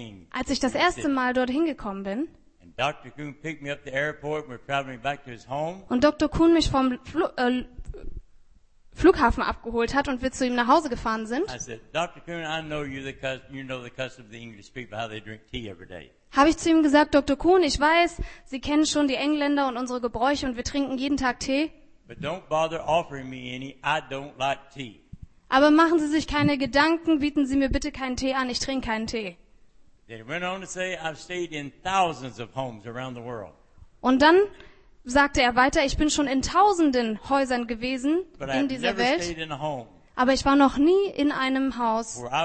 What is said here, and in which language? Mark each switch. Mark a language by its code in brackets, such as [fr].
[de] Als ich das erste Mal dorthin gekommen bin, [en] Dr. Kuhn picked me up at the airport and we're traveling back to his home. [de] Und Dr. Kuhn mich vom Flughafen abgeholt hat und wir zu ihm nach Hause gefahren sind, habe ich zu ihm gesagt, Dr. Kuhn, ich weiß, Sie kennen schon die Engländer und unsere Gebräuche und wir trinken jeden Tag Tee. [en] But don't bother offering me any. I don't like tea. [de] Aber machen Sie sich keine Gedanken, bieten Sie mir bitte keinen Tee an, ich trinke keinen Tee. [en] They went on to say, I've stayed in thousands of homes around the world. [de] Und dann sagte er weiter, ich bin schon in tausenden Häusern gewesen in dieser Welt, aber ich war noch nie in einem Haus,